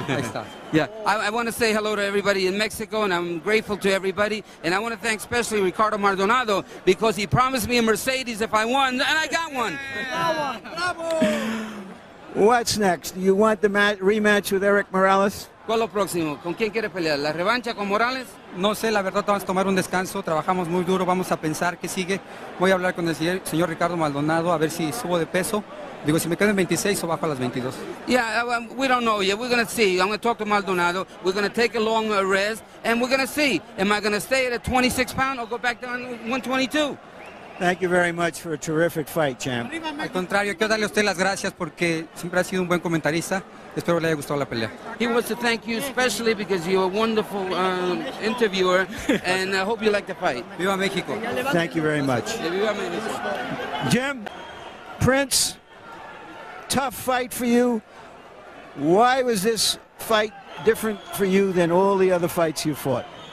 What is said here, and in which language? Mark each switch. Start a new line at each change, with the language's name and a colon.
Spanish: Ahí está.
English: Yeah, I want to say hello to everybody in Mexico, and I'm grateful to everybody, and I want to thank especially Ricardo Maldonado, because he promised me a Mercedes if I won, and I got one. Bravo. What's next? Do you want the rematch with Eric Morales?
Spanish: ¿Cuál lo próximo? ¿Con quién quiere pelear? ¿La revancha con Morales? No sé, la verdad, vamos a tomar un descanso. Trabajamos muy duro, vamos a pensar qué sigue. Voy a hablar con el señor Ricardo Maldonado a ver si subo de peso. Digo, si me quedo en 26 o bajo a las 22.
English: Yeah, we don't know yet. We're going to see. I'm going to talk to Maldonado. We're going to take a long rest and we're going to see. Am I going to stay at a 26 pound or go back down to 122? Thank you very much for a terrific fight, champ.
Spanish: Al contrario, quiero darle a usted las gracias porque siempre ha sido un buen comentarista. Espero le haya gustado la pelea.
English: He wants to thank you especially because you're a wonderful interviewer, and I hope you like the fight.
Spanish: Viva México.
English: Thank you very much.
Spanish: Viva México.
English: Jim, Prince, tough fight for you. Why was this fight different for you than all the other fights you fought?